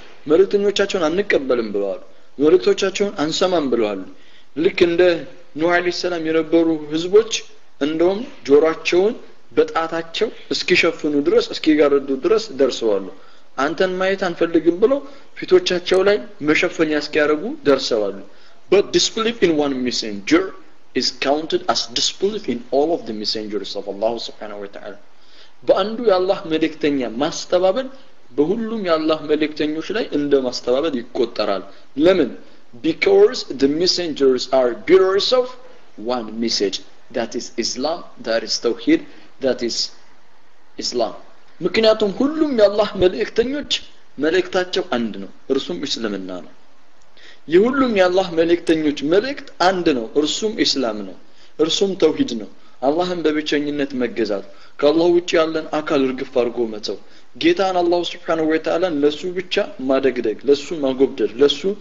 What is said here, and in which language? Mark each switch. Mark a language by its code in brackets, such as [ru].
[am] መልእክተኞቻቸውን አንቀበልም ብለዋል። መልእክቶቻቸውን አንሰማም ብለዋል። ልክ እንደ ኑህ አለይሂ ሰላም የነበሩ ህዝቦች እንደውም ጆሮአቸውን በጣታቸው እስኪሸፍኑ ድረስ እስኪጋረዱ ድረስ ደርሰዋል። አንተን ማየት አንፈልግም ብለው ፊቶቻቸው ላይ መሸፈኛ እስኪያረጉ ደርሰዋል። [en] But disbelief in one messenger is counted as disbelief in all of the messengers of Allah Subhanahu Wa Ta'ala. [am] በአንዱ የአላህ መልእክተኛ ማስተባበል በሁሉም የአላህ መልእክተኞች ላይ እንደ ማስተባበል ይቆጠራል። ለምን? [en] Because the messengers are bearers of one message, that is Islam, that is Tawhid, that is Islam. [am] ምክንያቱም ሁሉም የአላህ መልእክተኞች መልእክታቸው አንድ ነው፣ እርሱም እስልምና ነው። የሁሉም የአላህ መልእክተኞች መልእክት አንድ ነው፣ እርሱም እስላም ነው፣ እርሱም ተውሂድ ነው። አላህን በብቸኝነት መገዛት፣ ከአላህ ውጪ ያለን አካል እርግፍ አድርጎ መተው፣ ጌታን አላህ Subhanahu Wa Ta'ala ለሱ ብቻ ማደግደግ፣ ለሱ ማጎብደድ፣ ለሱ